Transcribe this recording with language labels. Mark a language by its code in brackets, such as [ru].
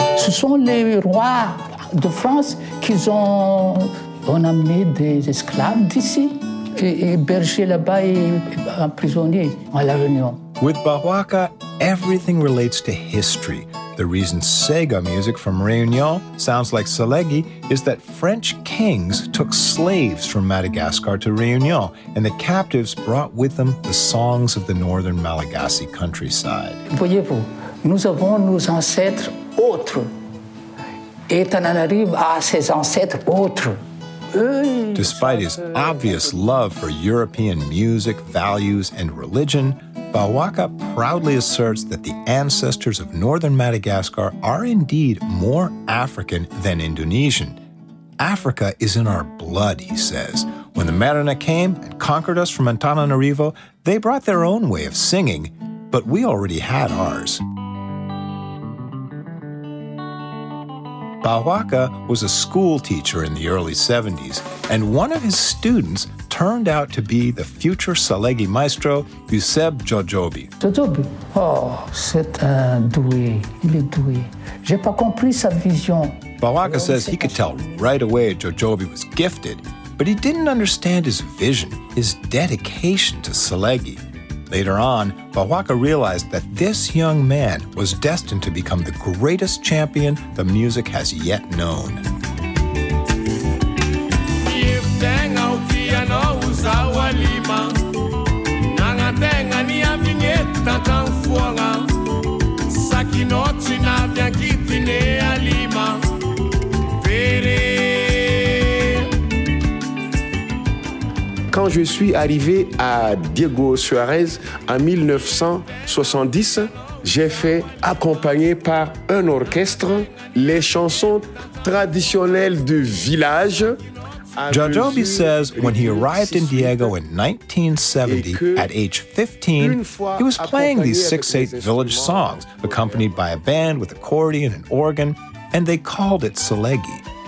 [fr] sont les rois de France qui ont amené des esclaves d'ici, hébergés là-bas et emprisonnés à La Réunion. [en] With Bahuaca, everything relates to history. The reason Sega music from Réunion sounds like Salégui is that French kings took slaves from Madagascar to Réunion, and the captives brought with them the songs of the northern Malagasy countryside. [fr] Voyez-vous, nous avons nos ancêtres autres. Et on en arrive à ses ancêtres autres. [en] Despite his obvious love for European music, values, and religion, Bahuaca proudly asserts that the ancestors of northern Madagascar are indeed more African than Indonesian. Africa is in our blood, he says. When the Merina came and conquered us from Antananarivo, they brought their own way of singing, but we already had ours. Bahuaca was a school teacher in the early 70s, and one of his students turned out to be the future Salégui maestro, Youssef Djodjobi. [fr] Djodjobi, oh, c'est un doué, il est doué. J'ai pas compris sa vision. [en] Bahuaca says he could tell right away Djodjobi was gifted, but he didn't understand his vision, his dedication to Salégui. Later on, Bahuaca realized that this young man was destined to become the greatest champion the music has yet known. [fr] Quand je suis arrivé à Diego Suarez en 1970, j'ai fait accompagner par un orchestre les chansons traditionnelles du village. [en] Djodjobi says when he arrived in Diego in 1970, at age 15, he was playing these 6-8 village songs, accompanied by a band with accordion and organ, and they called it Salégui.